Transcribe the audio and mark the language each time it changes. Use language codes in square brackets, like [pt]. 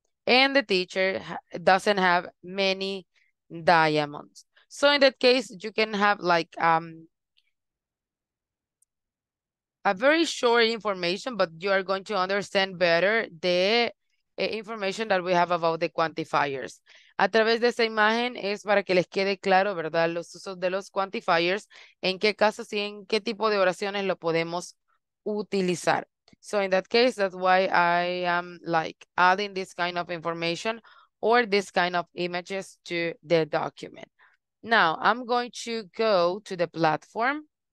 [en] And the teacher doesn't have many diamonds. So in that case, you can have like a very short information, but you are going to understand better the information that we have about the quantifiers. [es] A través de esa imagen es para que les quede claro, ¿verdad? Los usos de los quantifiers, en qué casos y en qué tipo de oraciones lo podemos utilizar. [en] So in that case, that's why I am like adding this kind of information or this kind of images to the document. Now, I'm going to go to the platform.